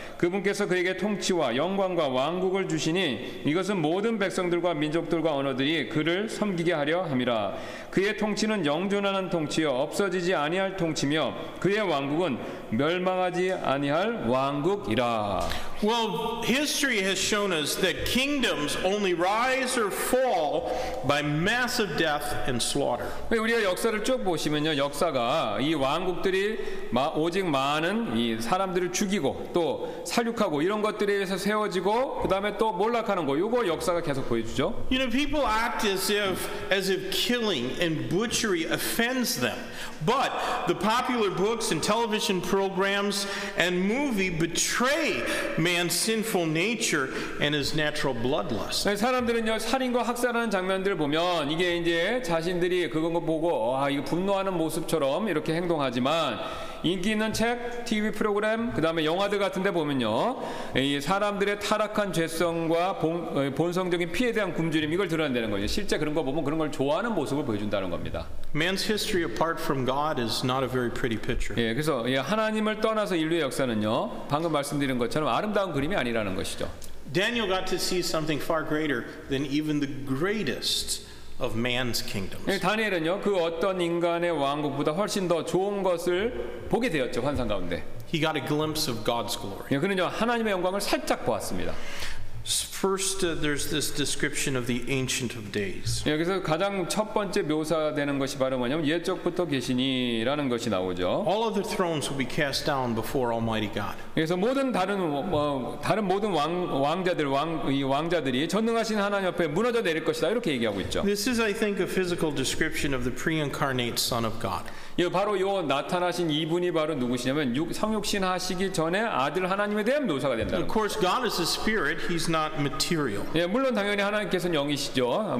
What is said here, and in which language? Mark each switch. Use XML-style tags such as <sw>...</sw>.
<ko>그분께서 그에게 통치와 영광과 왕국을 주시니 이것은 모든 백성들과 민족들과 언어들이 그를 섬기게 하려 함이라. 그의 통치는 영존하는 통치여 없어지지 아니할 통치며 그의 왕국은 멸망하지 아니할 왕국이라.</ko> <en>Well, history has shown us that kingdoms only rise or fall by massive death and slaughter.</en> <ko>우리가 역사를 쭉 보시면요, 역사가 이 왕국들이 오직 많은 이 사람들을 죽이고 또 살육하고 이런 것들에 의해서 세워지고 그다음에 또 몰락하는 거 요거 역사가 계속 보여주죠.</ko> <en>You know, people act as if killing and butchery offends them. But the popular books and television programs and movie betray man's sinful nature and his natural bloodlust.</en> <ko>사람들은요 살인과 학살하는 장면들을 보면 이게 이제 자신들이 그런 거 보고 아 이거 분노하는 모습처럼 이렇게 행동하지만 인기 있는 책, TV 프로그램, 그다음에 영화들 같은 데 보면요. 이 사람들의 타락한 죄성과 본성적인 피해에 대한 굶주림 이걸 드러내는 거예요. 실제 그런 거 보면 그런 걸 좋아하는 모습을 보여준다는 겁니다.</ko> <en>Man's history apart from God is not a very pretty picture.</en> <ko>예, 그래서 예, 하나님을 떠나서 인류의 역사는요. 방금 말씀드린 것처럼 아름다운 그림이 아니라는 것이죠.</ko> <en>Daniel got to see something far greater than even the greatest of man's kingdoms.</en> <ko>다니엘은요, 그 어떤 인간의 왕국보다 훨씬 더 좋은 것을 보게 되었죠, 환상 가운데.</ko> <en>He got a glimpse of God's glory.</en> <ko>그는요, 하나님의 영광을 살짝 보았습니다.</ko> <en>First, there's this description of the Ancient of Days.</en> <ko>여기서 가장 첫 번째 묘사되는 것이 바로 뭐냐면 옛적부터 계시니라는 것이 나오죠.</ko> <en>All other thrones will be cast down before Almighty God.</en> <ko>그래서 모든 다른 모든 왕자들이 전능하신 하나님 옆에 무너져 내릴 것이다 이렇게 얘기하고 있죠.</ko> <en>This is, I think, a physical description of the pre-incarnate Son of God.</en> <ko>예, 바로 요 나타나신 이분이 바로 누구시냐면 성육신 하시기 전에 아들 하나님에 대한 묘사가 된다.</ko> <en>Of course, God is a spirit. He's not material.</en> <ko>예, 물론 당연히 하나님께서는 영이시죠.</ko>